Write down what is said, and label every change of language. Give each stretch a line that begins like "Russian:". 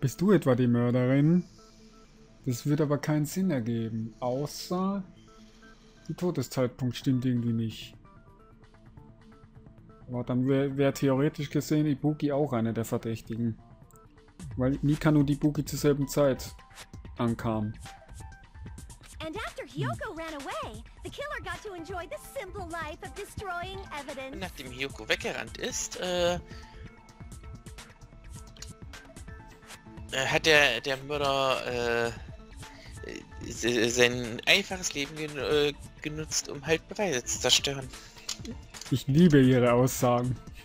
German: Bist du etwa die Mörderin? Das wird aber keinen Sinn ergeben, außer der Todeszeitpunkt stimmt irgendwie nicht. Aber dann wäre theoretisch gesehen Ibuki auch eine der Verdächtigen. Weil Mika und Ibuki zur selben Zeit ankam.
English: And after Hyoko ran away, the killer got to enjoy the simple life of destroying evidence.
German: Nachdem Hyoko weggerannt ist, hat der Mörder sein einfaches Leben genutzt, um halt Beweise zu zerstören. Ich liebe ihre Aussagen.